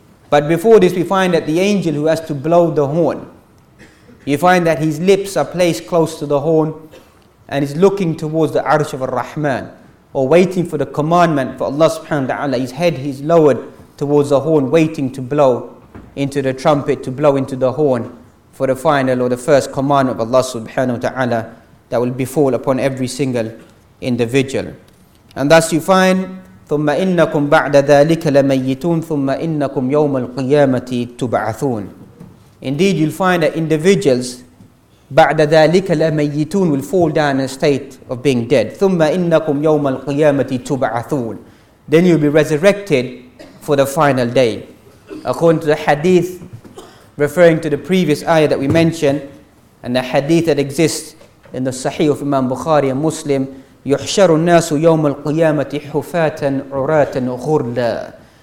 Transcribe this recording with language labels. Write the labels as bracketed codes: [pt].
[en] But before this, we find that the angel who has to blow the horn, you find that his lips are placed close to the horn and is looking towards the Arsh of Ar-Rahman, or waiting for the commandment for Allah subhanahu wa ta'ala. His head is lowered towards the horn, waiting to blow into the trumpet, to blow into the horn for the final or the first commandment of Allah subhanahu wa ta'ala that will befall upon every single individual. And thus you find, [ar] ثُمَّ إِنَّكُمْ بَعْدَ ذَٰلِكَ لَمَيِّتُونَ ثُمَّ إِنَّكُمْ يَوْمَ الْقِيَامَةِ تُبْعَثُونَ. [en] Indeed, you'll find that individuals, [ar] بَعْدَ ذَٰلِكَ لَمَيِّتُونَ, [en] will fall down in a state of being dead. [ar] ثُمَّ إِنَّكُمْ يَوْمَ الْقِيَامَةِ تُبْعَثُونَ. [en] Then you'll be resurrected for the final day. According to the hadith, referring to the previous ayah that we mentioned, and the hadith that exists in the Sahih of Imam Bukhari and Muslim, [ar] يُحْشَرُ النَّاسُ يَوْمَ الْقِيَامَةِ حُفَاتًا عُرَاتًا غُرْلًا.